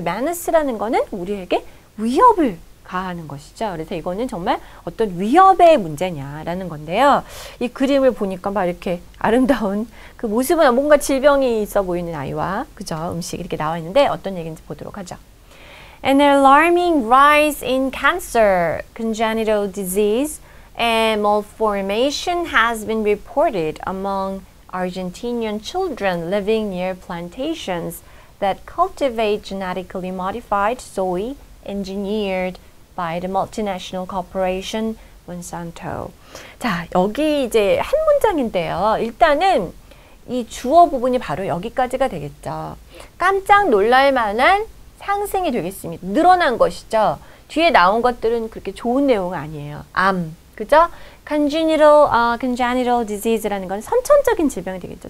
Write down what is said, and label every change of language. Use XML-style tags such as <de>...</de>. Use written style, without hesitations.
<ko>manus라는 거는 우리에게 위협을 가하는 것이죠. 그래서 이거는 정말 어떤 위협의 문제냐라는 건데요. 이 그림을 보니까 막 이렇게 아름다운 그 모습은 뭔가 질병이 있어 보이는 아이와 그저 음식 이렇게 나와 있는데 어떤 얘기인지 보도록 하죠.</ko> <en>An alarming rise in cancer, congenital disease, and malformation has been reported among Argentinian children living near plantations that cultivate genetically modified soy engineered by the multinational corporation Monsanto.</en> <ko>자, 여기 이제 한 문장인데요. 일단은 이 주어 부분이 바로 여기까지가 되겠죠. 깜짝 놀랄 만한 상승이 되겠습니다. 늘어난 것이죠. 뒤에 나온 것들은 그렇게 좋은 내용 아니에요. 암. 그죠? Congenital disease라는 건 선천적인 질병이 되겠죠.</ko>